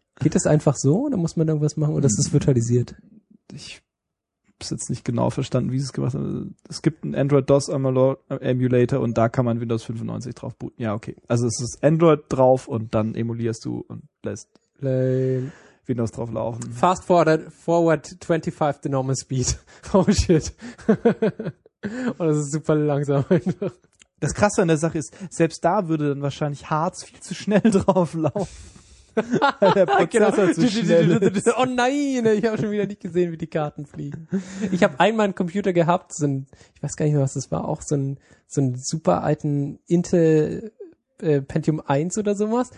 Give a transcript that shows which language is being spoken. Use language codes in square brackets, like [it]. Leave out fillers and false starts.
[de] Geht das einfach so oder muss man irgendwas machen oder ist es virtualisiert? Ich hab's jetzt nicht genau verstanden, wie sie es gemacht haben. Es gibt einen Android DOS Emulator und da kann man Windows 95 drauf booten. Ja, okay. Also es ist Android drauf und dann emulierst du und lässt Windows drauf laufen. [en] Fast forward 25 the normal speed. Oh shit. [de] Und das ist super langsam. Das Krasse an der Sache ist, selbst da würde dann wahrscheinlich Harz viel zu schnell drauf laufen. Der Prozessor genau. Zu schnell ist. Oh nein, ich habe schon wieder nicht gesehen, wie die Karten fliegen. Ich habe einmal einen Computer gehabt, so ein, ich weiß gar nicht mehr, was das war, auch so ein super alten Intel Pentium 1 oder sowas.